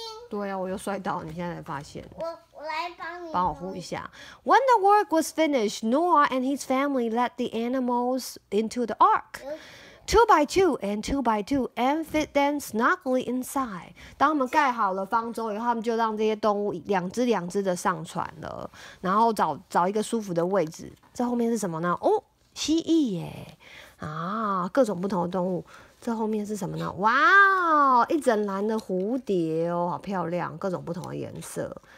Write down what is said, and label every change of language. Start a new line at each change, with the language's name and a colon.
Chinese: 对啊，我又摔倒，你现在才发现。我来帮你，帮我呼一下。
English: When the work was finished, Noah and his family led the animals into the ark, two by two and two by two, and fit them snugly inside.
Chinese: 当他们盖好了方舟以后，他们就让这些动物两只两只的上船了，然后找一个舒服的位置。这后面是什么呢？哦，蜥蜴耶！啊，各种不同的动物。这后面是什么呢？哇，一整篮的蝴蝶哦，好漂亮，各种不同的颜色。